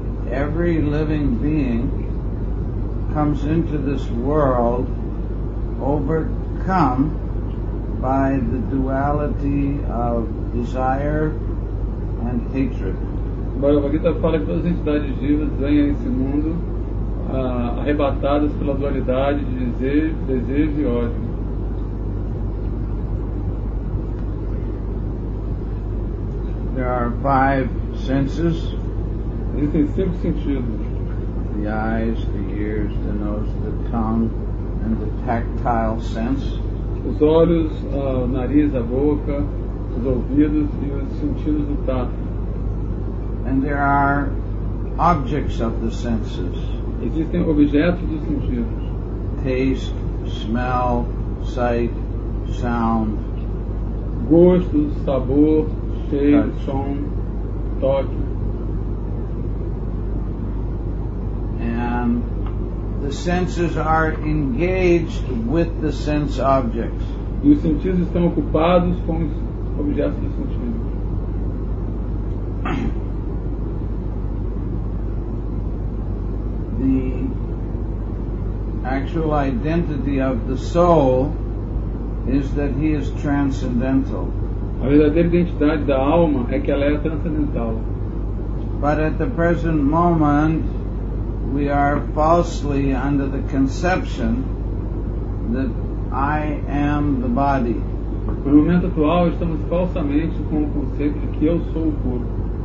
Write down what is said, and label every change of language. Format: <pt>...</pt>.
<en>Every living being comes into this world overcome by the duality of desire and hatred.</en> <pt>Bhagavad Gita fala que todas as entidades vivas vêm a esse mundo arrebatadas pela dualidade de desejo e ódio.</pt> <en>There are five senses.</en> <pt>Existem cinco sentidos.</pt> <en>The eyes, the ears, the nose, the tongue, and the tactile sense.</en> <pt>Os olhos, o nariz, a boca, os ouvidos e os sentidos do tato.</pt> <en>And there are objects of the senses.</en> <pt>Existem objetos dos sentidos.</pt> <en>Taste, smell, sight, sound.</en> <pt>Gosto, sabor, cheiro, touch. Som, toque.</pt> <en>And the senses are engaged with the sense objects.</en> <pt>E os sentidos estão ocupados com os objetos dos sentidos.</pt> <en>The actual identity of the soul is that he is transcendental.</en> <pt>A verdadeira identidade da alma é que ela é transcendental.</pt> <en>But at the present moment, we are falsely under the conception that I am the body.</en> <pt>No momento atual, estamos falsamente com o conceito de que eu sou o corpo.</pt>